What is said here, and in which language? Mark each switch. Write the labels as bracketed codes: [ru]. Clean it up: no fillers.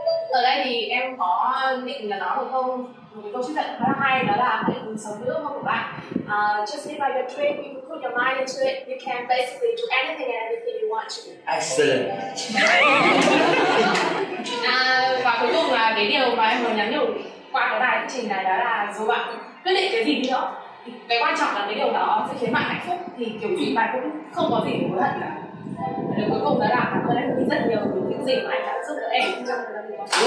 [vi] Ở đây thì em có định là nói một câu chuyện rất là hay, đó là hãy cùng sống nước mơ của bạn. [en] Just live by your dream, you can put your mind into it, you can basically do anything and everything you want to. Excellent. [vi] Và cuối cùng là cái điều mà em muốn nhắn nhủ qua cái bài chương trình này, đó là dù bạn quyết định cái gì đi nữa, cái quan trọng là cái điều đó sẽ khiến bạn hạnh phúc, thì kiểu gì bạn cũng không có gì hối hận cả. Và cuối cùng đó là cảm ơn anh rất nhiều những gì mà anh đã giúp đỡ em trong thời gian vừa qua.